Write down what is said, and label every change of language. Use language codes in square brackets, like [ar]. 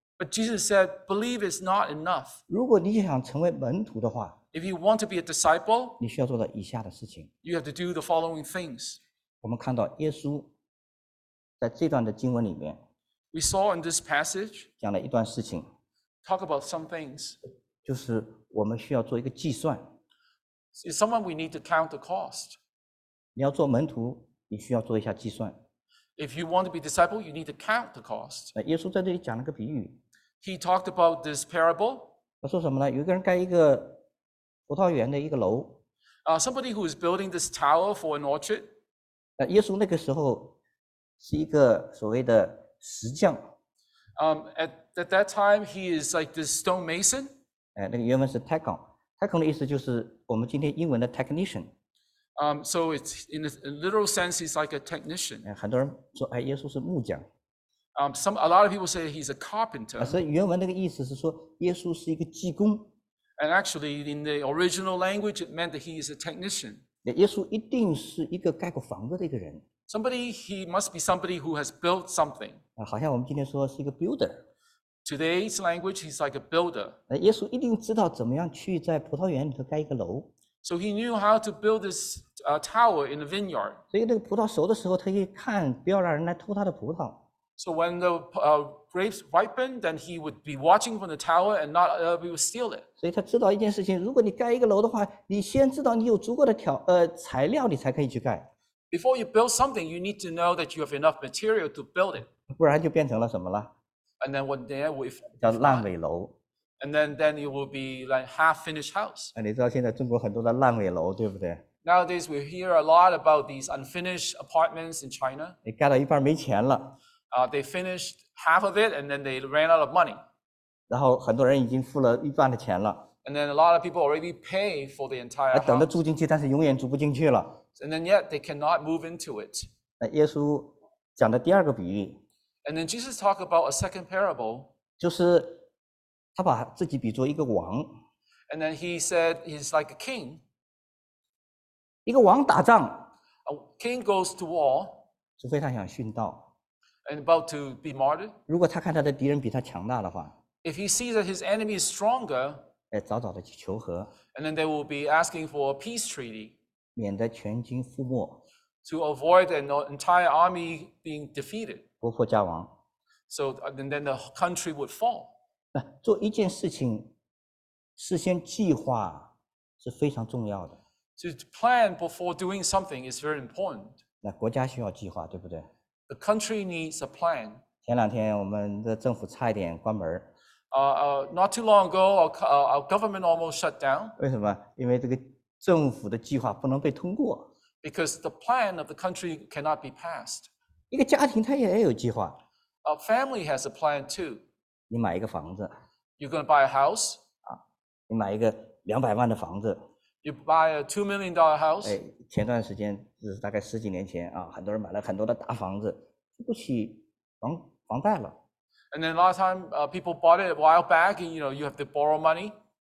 [en] But Jesus said, believe is not enough. [zh] 如果你想成为门徒的话， [en] If you want to be a disciple, [zh] 你需要做到以下的事情。 [en] You have to do the following things. [zh] 我们看到耶稣在这段的经文里面 [en] We saw in this passage [zh] 讲了一段事情 [en] Talk about some things [zh] 就是我们需要做一个计算 [en] Is someone we need to count the cost [zh] 你要做门徒你需要做一下计算 [en] If you want to be a disciple you need to count the cost [zh] 耶稣在这里讲了个比喻 [en] He talked about this parable [zh] 他说什么呢有一个人盖一个葡萄园的一个楼 [en] Somebody who is building this tower for an orchard [zh] 耶稣那个时候是一个所谓的石匠。 [en] At that time, he is like this stone mason. [zh] 那个原文是 techon. Techon 的意思就是我们今天英文的 technician. [en] So it's in a literal sense, he's like a technician. [zh] 很多人说耶稣是木匠。 [en] A lot of people say he's a carpenter. [zh] 所以原文那个意思是说耶稣是一个技工。 [en] And actually, in the original language, it meant that he is a technician. [zh] 耶稣一定是一个盖过房子的一个人。 [en] Somebody, he must be somebody who has built something. [zh] 好像我们今天说是一个 builder. [en] Today's language, he's like a builder. [zh] 耶稣一定知道怎么样去在葡萄园里头盖一个楼。 [en] So he knew how to build this tower in the vineyard. [zh] 所以那个葡萄熟的时候，他一看，不要让人来偷他的葡萄。 [en] So when the grapes ripen, then he would be watching from the tower and not be able to steal it. [zh] 所以他知道一件事情，如果你盖一个楼的话，你先知道你有足够的材料，你才可以去盖。 [en] Before you build something, you need to know that you have enough material to build it. [zh] 不然就变成了什么了 [en] ？And then one day we [zh] 叫烂尾楼。 [en] And then it will be like half finished house. [zh] 你知道现在中国很多的烂尾楼，对不对？ [en] Nowadays we hear a lot about these unfinished apartments in China. [zh] 你盖到一半没钱了。 [en] They finished half of it, and then they ran out of money. [zh] 然后很多人已经付了一半的钱了。 [en] And then a lot of people already pay for the entire house. [zh] 等着住进去，但是永远住不进去了。 [en] And then yet they cannot move into it. [zh] 耶稣讲的第二个比喻。 [en] And then Jesus talked about a second parable. [zh] 就是他把自己比作一个王。 [en] And then he said he's like a king. [zh] 一个王打仗。 [en] A king goes to war. [zh] 除非他想殉道。 [en] And about to be martyred. [zh] 如果他看他的敌人比他强大的话 [en] ，If he sees that his enemy is stronger, [zh] 早早的去求和 [en] ，And then they will be asking for a peace treaty, [zh] 免得全军覆没 [en] ，To avoid an entire army being defeated, [zh] 国破家亡 [en] ，So and then the country would fall. [zh] 做一件事情，事先计划是非常重要的。 [en] To plan before doing something is very important. [zh] 那国家需要计划，对不对？ [en] The country needs a plan. [zh] 前两天我们的政府差一点关门。 [en] Not too long ago, our government almost shut down. [zh] 为什么？因为这个政府的计划不能被通过。 [en] Because the plan of the country cannot be passed. [zh] 一个家庭它也有计划。 [en] A family has a plan too. [zh] 你买一个房子。 [en] You're going to buy a house. [zh] 你买一个200万的房子。 [en] You buy a $2 million house. [zh] 前段时间，就是大概十几年前啊，很多人买了很多的大房子，付不起房贷了。 [en] And then a lot of time, people bought it a while back, and you know you have to borrow money.